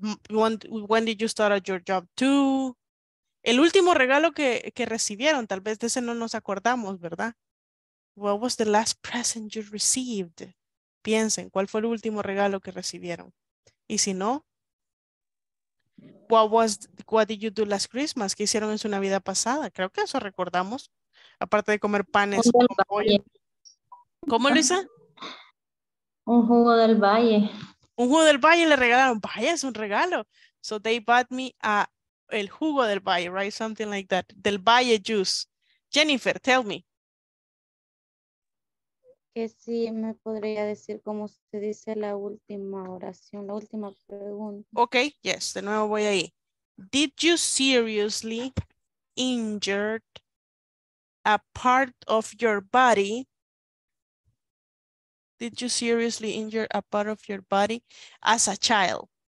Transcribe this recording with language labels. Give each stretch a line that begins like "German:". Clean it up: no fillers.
English: When did you start at your job too?
Spanish: El último regalo que recibieron, tal vez de ese no nos acordamos, ¿verdad?
English: What was the last present you received?
Spanish: Piensen, ¿cuál fue el último regalo que recibieron? Y si no,
English: what did you do last Christmas?
Spanish: ¿Qué hicieron en su Navidad pasada? Creo que eso recordamos. Aparte de comer panes. ¿Cómo, Luisa? Un jugo del Valle. Un jugo del Valle le regalaron. Vaya, es un regalo.
English: So they bought me a... El jugo del Valle, right? Something like that. Del Valle juice. Jennifer, tell me.
Spanish: Que sí, me podría decir cómo se dice la última oración, la última pregunta. Okay, yes, de nuevo voy ahí.
English: Did you seriously injured a part of your body? Did you seriously injure a part of your body as a child?